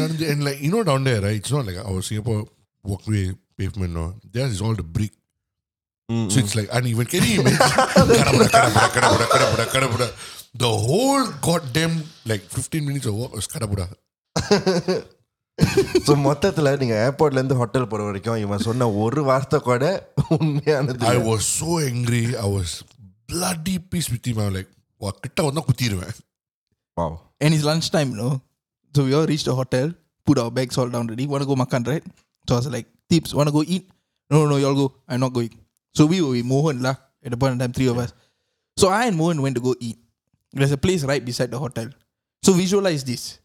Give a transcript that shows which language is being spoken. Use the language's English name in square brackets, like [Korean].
[English] And like, you know, down there, right? It's not like our Singapore walkway pavement. No, there is all the brick. So it's like uneven. Can you imagine? The whole goddamn like 15 minutes of walk was karabuda. [Tamil] So மொத்தத்துல நீங்க ஏர்போர்ட்ல இருந்து hotel போற வரைக்கும் இவன் சொன்ன ஒரு வார்த்தை கூட உண்மையானது. [English] I was so angry. I was bloody pissed with him. [Tamil] I was like, "வா கிட்ட வந்தா குத்திடுவேன்." [English] Wow. And it's lunch time, no? So we all reached the hotel, put our bags all down ready. Want to go makan, right? So I was like, "Tips, want to go eat?" No, y'all go. I'm not going. So we were with Mohan lah, at the point in time, three of us. So I and Mohan went to go eat. There's a place right beside the hotel. So visualize this.